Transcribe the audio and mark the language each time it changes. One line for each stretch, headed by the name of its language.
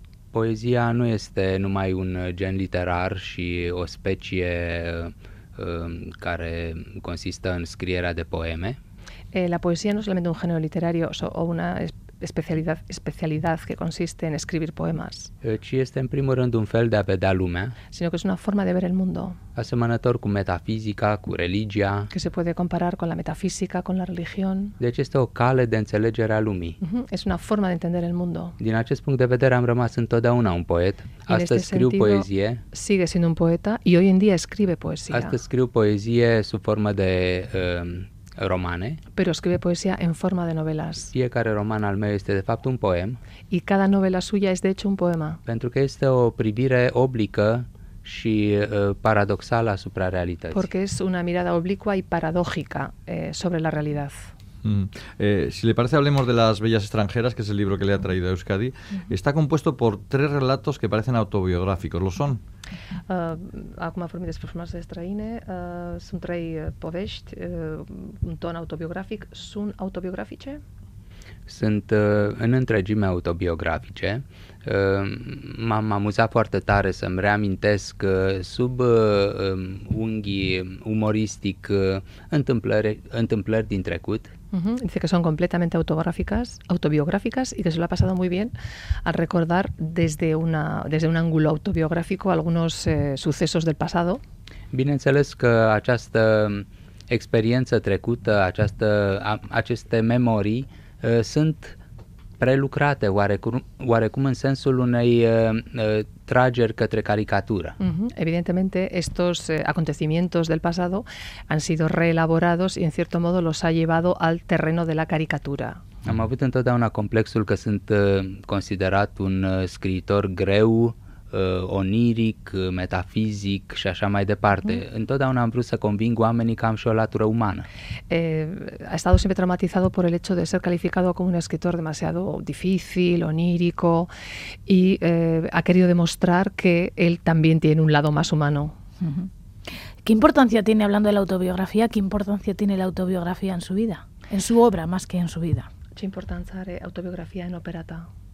Romanian: Poezia nu este numai un gen literar și o specie care consistă în scrierea de poeme.
Spanish: La poesia nu solamente un genero literario o una especialidad que consiste en escribir poemas.
Romanian: Ci este în primul rând un fel de a vedea lumea.
Spanish: Sino que es una forma de ver el mundo.
Romanian: Asemănător cu metafizica, cu religia.
Spanish: Que se puede comparar con la metafísica, con la religión.
Romanian: Deci este o cale de înțelegere a lumii.
Spanish: Es una forma de entender el mundo.
Romanian: Din acest punct de vedere am rămas întotdeauna un poet. Astăzi scriu poezie.
Spanish: Sigue siendo un poeta y hoy en día escribe poesía.
Romanian: Astăzi scriu poezie sub formă de romane.
Spanish: Pero escribe poesía en forma de novelas.
Romanian: Fiecare roman al meu este de fapt un poem.
Spanish: Y cada novela suya es de hecho un poema.
Romanian: Pentru că este o privire oblică și paradoxală asupra realității.
Spanish: Porque es una mirada oblicua y paradójica sobre la realidad. Si le parece, hablemos de Las bellas extranjeras, que es el libro que le ha traído a Euskadi. Está compuesto por tres relatos que parecen autobiográficos. ¿Lo son?
Romanian: Acum a formit despre frumoasele străine. Sunt trei povești, un ton autobiografic. Sunt autobiografice? Sunt în întregime autobiografice. M-am amuzat foarte tare să-mi reamintesc sub unghii umoristic întâmplări din trecut.
Spanish: Dice que son completamente autobiográficas y que se lo ha pasado muy bien al recordar desde un ángulo autobiográfico algunos sucesos del pasado.
Romanian: Bineînțeles că această experiență trecută, aceste memorii sunt prelucrate oarecum în sensul unei trageri către caricatură.
Spanish: Evidentemente, estos acontecimientos del pasado han sido reelaborados y, en cierto modo, los ha llevado al terreno de la caricatura.
Romanian: Am avut întotdeauna complexul că sunt considerat un scriitor greu, oniric, metafizic și așa mai departe. Întotdeauna am vrut să conving oamenii că am și o latură umană.
Spanish: Ha estado siempre traumatizado por el hecho de ser calificado como un escritor demasiado difícil, onírico, y ha querido demostrar que él también tiene un lado más humano. ¿Qué importancia tiene, hablando de la autobiografía, qué importancia tiene la autobiografía en su vida? En su obra, más que en su vida.
Romanian: Ce importanță are autobiografia în opera ta?